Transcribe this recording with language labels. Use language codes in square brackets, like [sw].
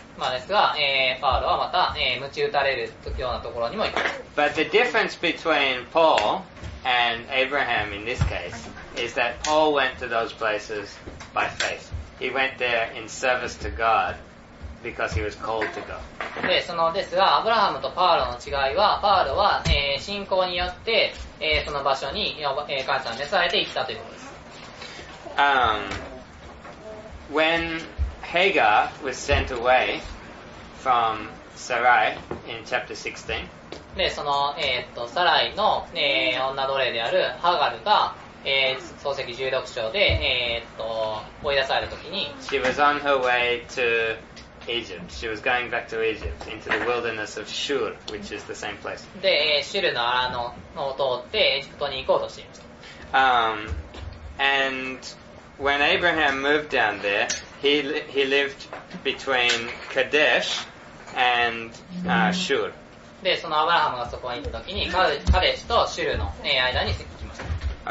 [ja] まあですが、パウロはまた、鞭打たれるようなところにも行きました。 [en] But the difference between Paul and Abraham in this case is that Paul went to those places by faith. He went there in service to God because he was called to go. [ja] で、そのですが、アブラハムとパウロの違いは、パウロは、信仰によって、その場所に、神様に召されて行ったということです。 [en] When Hagar was sent away from Sarai in chapter 16, [ja] で、その、サライの、女奴隷であるハガルが、創世記16章で、追い出されるときに、 [en] She was on her way to Egypt. She was going back to Egypt, into the wilderness of Shur, which is the same place. [ja] で、シュルの荒野を通ってエジプトに行こうとしていました。 [en] And when Abraham moved down there, he lived between Kadesh and Shur. [ja] で、そのアブラハムがそこに行った時に、カデシとシュルの間に行きました。